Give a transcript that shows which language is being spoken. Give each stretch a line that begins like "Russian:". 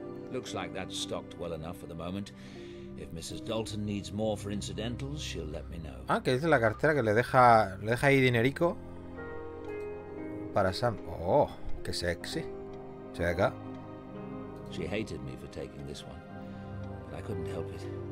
English: Looks like that's stocked well enough for the moment. If Mrs. Dalton needs more for incidentals, she'll let me know.
Spanish: Ah, que es la cartera que le deja ahí dinerico para Sam. Oh, qué sexy. Checa.
English: She hated me for taking this one, but I couldn't help it.